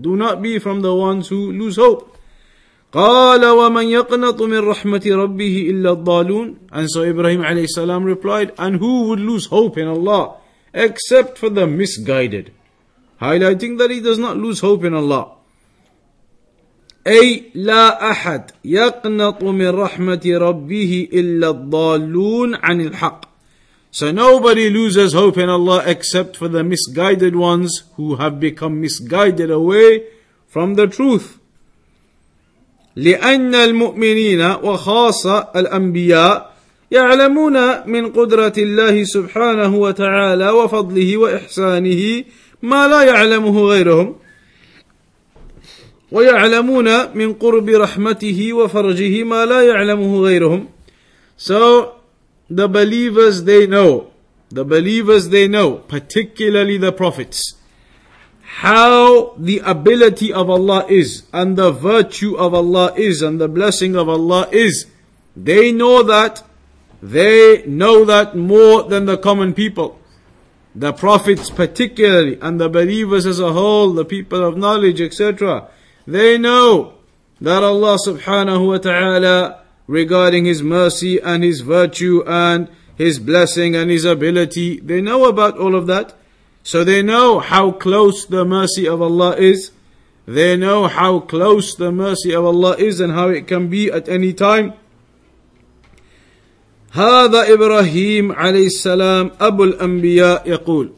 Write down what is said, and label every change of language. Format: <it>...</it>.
<en>Do not be from the ones who lose hope.</en> <ar>قَالَ وَمَنْ يَقْنَطُ مِنْ رَحْمَةِ رَبِّهِ إِلَّا الضَّالُونَ.</ar> <en>And so Ibrahim alayhi salam replied, and who would lose hope in Allah except for the misguided? Highlighting that he does not lose hope in Allah.</en> <ar>أي لا أحد يقنط من رحمة ربه إلا الضالون عن الحق.</ar> <en>So nobody loses hope in Allah except for the misguided ones who have become misguided away from the truth.</en> <ar>لأن المؤمنين وخاصة الأنبياء يعلمون من قدرة الله سبحانه وتعالى وفضله وإحسانه ما لا يعلمه غيرهم ويعلمون من قرب رحمته وفرجه ما لا يعلمه غيرهم.</ar> <en>So the believers they know, particularly the prophets, how the ability of Allah is, and the virtue of Allah is, and the blessing of Allah is. They know that more than the common people. The prophets particularly, and the believers as a whole, the people of knowledge, etc. They know that Allah subhanahu wa ta'ala, regarding His mercy and His virtue and His blessing and His ability, they know about all of that. So they know how close the mercy of Allah is. They know how close the mercy of Allah is and how it can be at any time.</en> <ar>هذا إبراهيم عليه السلام أبو الأنبياء يقول.</ar>